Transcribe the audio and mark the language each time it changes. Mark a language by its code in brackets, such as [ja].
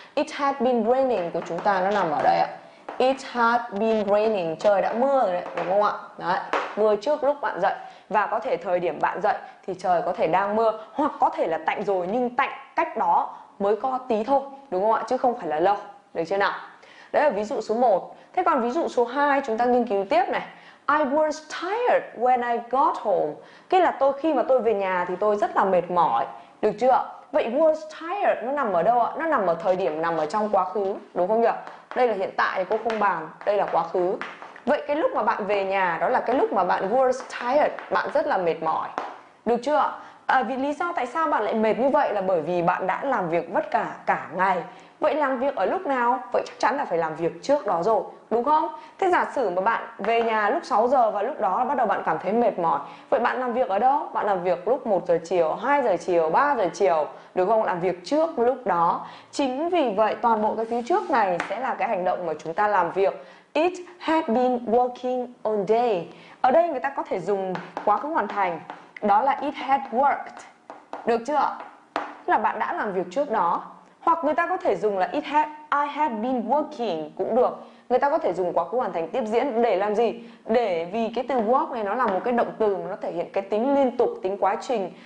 [en] It had been raining [vi] của chúng ta nó nằm ở đây ạ. It had been raining, trời đã mưa rồi đấy, đúng không ạ? Đấy, mưa trước lúc bạn dậy, và có thể thời điểm bạn dậy thì trời có thể đang mưa, hoặc có thể là tạnh rồi nhưng tạnh cách đó mới có tí thôi, đúng không ạ? Chứ không phải là lâu, được chưa nào? Đấy là ví dụ số 1. Thế còn ví dụ số 2 chúng ta nghiên cứu tiếp này. [en] I was tired when I got home. [vi] Cái là tôi khi mà tôi về nhà thì tôi rất là mệt mỏi, được chưa? Vậy [en] was tired [vi] nó nằm ở đâu ạ? Nó nằm ở thời điểm, nằm ở trong quá khứ, đúng không nhỉ? Đây là hiện tại, cô không bàn, đây là quá khứ. Vậy cái lúc mà bạn về nhà đó là cái lúc mà bạn [en] was tired, [vi] bạn rất là mệt mỏi, được chưa? À, vì lý do tại sao bạn lại mệt như vậy là bởi vì bạn đã làm việc vất cả cả ngày. Vậy làm việc ở lúc nào? Vậy chắc chắn là phải làm việc trước đó rồi, đúng không? Thế giả sử mà bạn về nhà lúc 6 giờ và lúc đó bắt đầu bạn cảm thấy mệt mỏi. Vậy bạn làm việc ở đâu? Bạn làm việc lúc 1 giờ chiều, 2 giờ chiều, 3 giờ chiều, đúng không? Làm việc trước lúc đó. Chính vì vậy toàn bộ cái phía trước này sẽ là cái hành động mà chúng ta làm việc. [en] It had been working all day. [vi] Ở đây người ta có thể dùng quá khứ hoàn thành. Đó là [en] it had worked, [vi] được chưa? Là bạn đã làm việc trước đó. Hoặc người ta có thể dùng là [en] I had been working [vi] cũng được. Người ta có thể dùng quá khứ hoàn thành tiếp diễn để làm gì? Để vì cái từ work này nó là một cái động từ, nó thể hiện cái tính liên tục, tính quá trình.